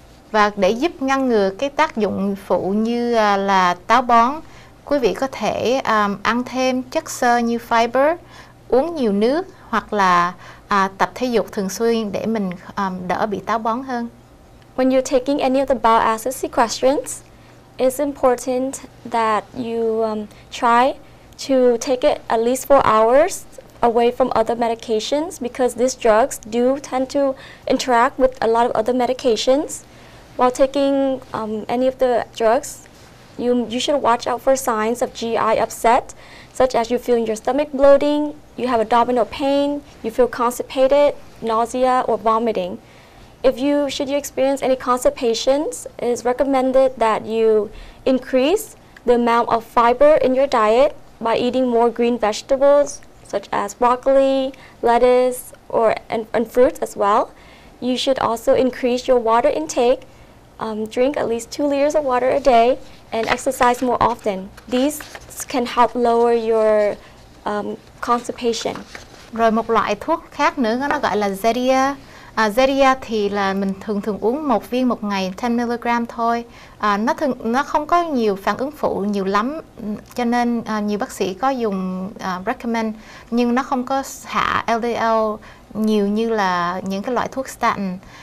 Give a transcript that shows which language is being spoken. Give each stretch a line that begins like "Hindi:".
Vietnamese: Và để giúp ngăn ngừa cái tác dụng phụ như là táo bón, quý vị có thể ăn thêm chất xơ như fiber, uống nhiều nước hoặc là tập thể dục thường xuyên để mình đỡ bị táo bón hơn.
English: When you're taking any of the bowel acid sequestrants, it's important that you try to take it at least 4 hours away from other medications, because these drugs do tend to interact with a lot of other medications. While taking any of the drugs, you should watch out for signs of GI upset, such as you feel your stomach bloating, you have abdominal pain, you feel constipated, nausea, or vomiting. Should you experience any constipations, it is recommended that you increase the amount of fiber in your diet by eating more green vegetables, such as broccoli, lettuce, and fruits as well. You should also increase your water intake. Drink at least 2 liters of water a day and exercise more often. These can help lower your constipation.
Vietnamese: Rồi một loại thuốc khác nữa nó gọi là Zetia. Zetia thì là mình thường uống một viên một ngày 10 mg thôi. Nó không có nhiều phản ứng phụ nhiều lắm, cho nên nhiều bác sĩ có dùng recommend, nhưng nó không có hạ LDL nhiều như là những cái loại thuốc statin.